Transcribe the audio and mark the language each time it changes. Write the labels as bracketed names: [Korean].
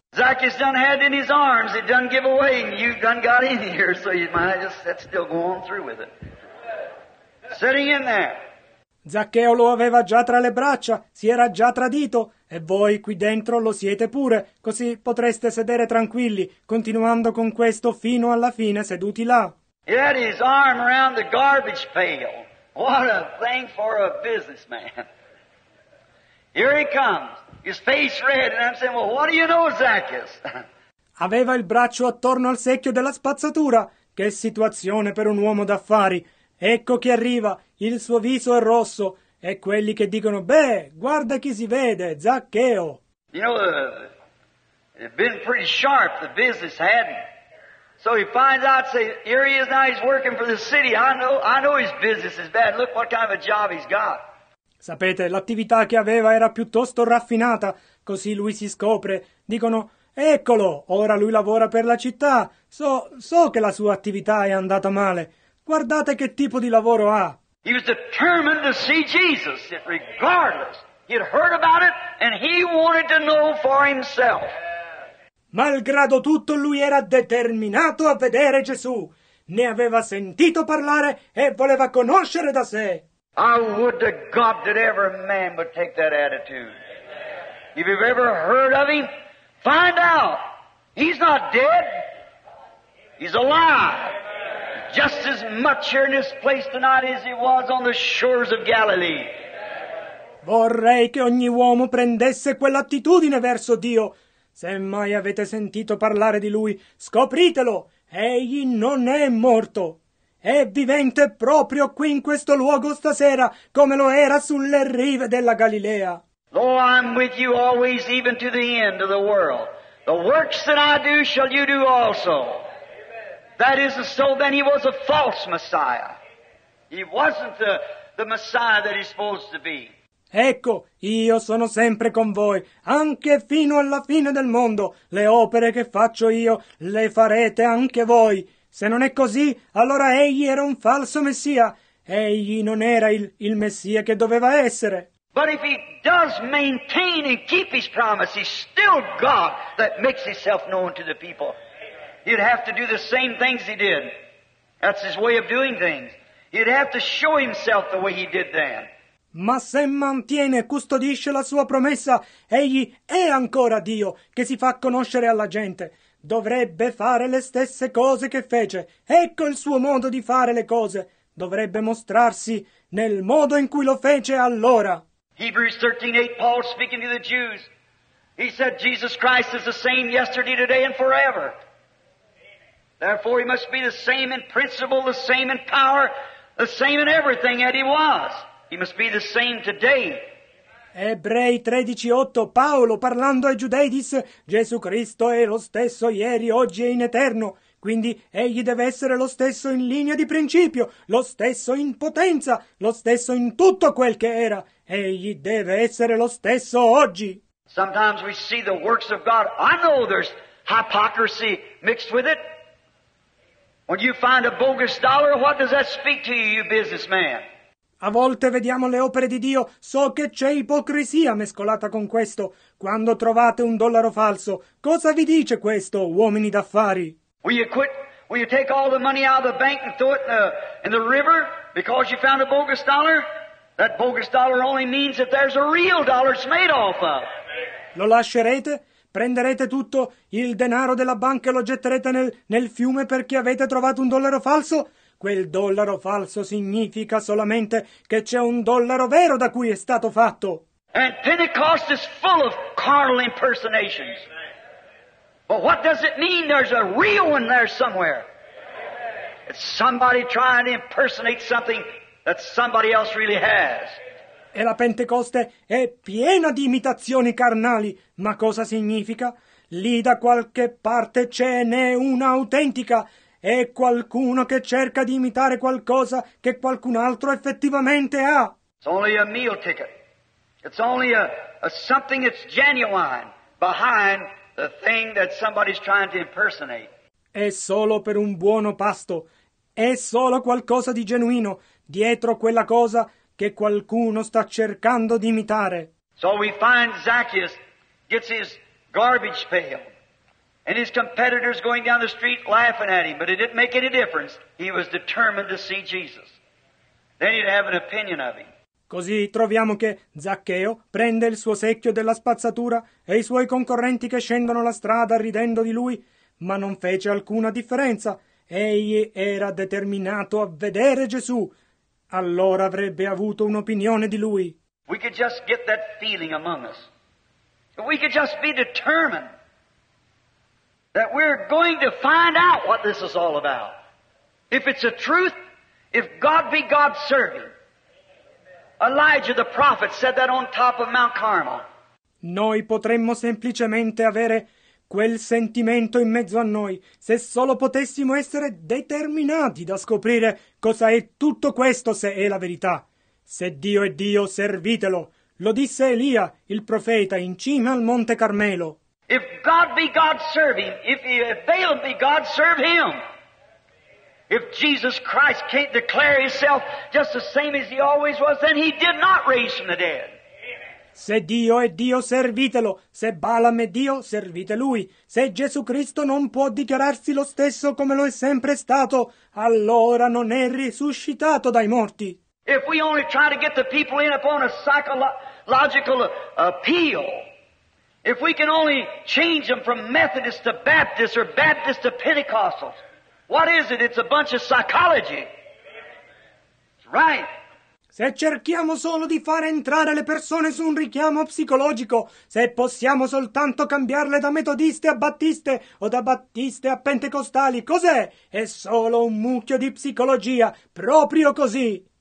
[English] Zacchaeus done had in his arms, he done give away, and you done got in here, so you might just sit still going through with it. Sitting in there. [Italian] Zaccheo lo aveva già tra le braccia, si era già tradito, e voi qui dentro lo siete pure, così potreste sedere tranquilli, continuando con questo fino alla fine seduti là. [English] He had his arm around the garbage pail. What a thing for a businessman. Here he comes, his face red, and I'm saying, well, what do you know, Zacchaeus? [Italian] Aveva il braccio attorno al secchio della spazzatura. Che situazione per un uomo d'affari. Ecco chi arriva, il suo viso è rosso, e quelli che dicono, beh, guarda chi si vede, Zaccheo. [English] You know, it's been pretty sharp, the business hadn't. So he finds out, say, here he is now, he's working for the city, I know his business is bad, look what kind of a job he's got. [Italian] Sapete, l'attività che aveva era piuttosto raffinata, così lui si scopre, dicono, eccolo, ora lui lavora per la città, so che la sua attività è andata male. Guardate che tipo di lavoro ha. [English] He was determined to see Jesus, regardless. He'd heard about it and he wanted to know for himself. [Italian] Malgrado tutto, lui era determinato a vedere Gesù. Ne aveva sentito parlare e voleva conoscere da sé. [English] I would to God that every man would take that attitude. If you've ever heard of him, find out. He's not dead. He's alive. Just as much here in this place tonight as he was on the shores of Galilee. [Italian] Vorrei che ogni uomo prendesse quell'attitudine verso Dio. Se mai avete sentito parlare di lui, scopritelo. Egli non è morto. È vivente proprio qui in questo luogo stasera, come lo era sulle rive della Galilea. [English] Though I'm with you always, even to the end of the world. The works that I do shall you do also. That isn't so, then he was a false Messiah. He wasn't the Messiah that he's supposed to be. [Italian] Ecco, io sono sempre con voi, anche fino alla fine del mondo. Le opere che faccio io le farete anche voi. Se non è così, allora egli era un falso Messia. Egli non era il Messia che doveva essere. [English] But if he does maintain and keep his promise, he's still God that makes himself known to the people. He'd have to do the same things he did. That's his way of doing things. He'd have to show himself the way he did then. [Italian] Ma se mantiene e custodisce la sua promessa, egli è ancora Dio che si fa conoscere alla gente. Dovrebbe fare le stesse cose che fece. Ecco il suo modo di fare le cose. Dovrebbe mostrarsi nel modo in cui lo fece allora. [English] Hebrews 13:8, Paul speaking to the Jews. He said, Jesus Christ is the same yesterday, today, and forever. Therefore, he must be the same in principle, the same in power, the same in everything that he was. He must be the same today. [Italian] Ebrei 13:8, Paolo parlando ai Giudei disse, Gesù Cristo è lo stesso ieri, oggi e in eterno. Quindi egli deve essere lo stesso in linea di principio, lo stesso in potenza, lo stesso in tutto quel che era. Egli deve essere lo stesso oggi. [English] Sometimes we see the works of God. I know there's hypocrisy mixed with it. When you find a bogus dollar, what does that speak to you, you businessman? [Italian] A volte vediamo le opere di Dio, so che c'è ipocrisia mescolata con questo. Quando trovate un dollaro falso, cosa vi dice questo, uomini d'affari? [English] Will you take all the money out of the bank and throw it in the river because you found a bogus dollar? That bogus dollar only means that there's a real dollar it's made off of. [Italian] Lo lascerete? Prenderete tutto il denaro della banca e lo getterete nel fiume perché avete trovato un dollaro falso? Quel dollaro falso significa solamente che c'è un dollaro vero da cui è stato fatto. [English] And Pentecost is full of carnal impersonations. But what does it mean there's a real one there somewhere? It's somebody trying to impersonate something that somebody else really has. [Italian] E la Pentecoste è piena di imitazioni carnali. Ma cosa significa? Lì da qualche parte ce n'è una autentica. È qualcuno che cerca di imitare qualcosa che qualcun altro effettivamente ha. [English] It's only a meal ticket. It's only a something that's genuine behind the thing that somebody's trying to impersonate. [Italian] È solo per un buono pasto. È solo qualcosa di genuino dietro quella cosa che qualcuno sta cercando di imitare. [English] So we find Zacchaeus gets his garbage pail and his competitors going down the street laughing at him, but it didn't make any difference. He was determined to see Jesus. Then he'd have an opinion of him. [Italian] Così troviamo che Zaccheo prende il suo secchio della spazzatura e i suoi concorrenti che scendono la strada ridendo di lui, ma non fece alcuna differenza. Egli era determinato a vedere Gesù. Allora avrebbe avuto un'opinione di lui. [English] We could just get that feeling among us. We could just be determined that we're going to find out what this is all about. If it's a truth, if God be God's servant. Elijah the prophet said that on top of Mount Carmel. [Italian] Noi potremmo semplicemente avere quel sentimento in mezzo a noi se solo potessimo essere determinati da scoprire cosa è tutto questo se è la verità. Se Dio è Dio, servitelo. Lo disse Elia, il profeta, in cima al Monte Carmelo. [English] If God be God, serve him. If Baal be God, serve him. If Jesus Christ can't declare himself just the same as he always was, then he did not raise from the dead. [Italian] Se Dio è Dio, servitelo. Se Balaam è Dio, servite lui. Se Gesù Cristo non può dichiararsi lo stesso come lo è sempre stato, allora non è risuscitato dai morti. [English] If we only try to get the people in upon a psychological appeal, if we can only change them from Methodist to Baptist or Baptist to Pentecostal, what is it? It's a bunch of psychology. It's right. [Italian] Se cerchiamo solo di far entrare le persone su un richiamo psicologico, se possiamo soltanto cambiarle da metodiste a battiste o da battiste a pentecostali, cos'è? È solo un mucchio di psicologia, proprio così.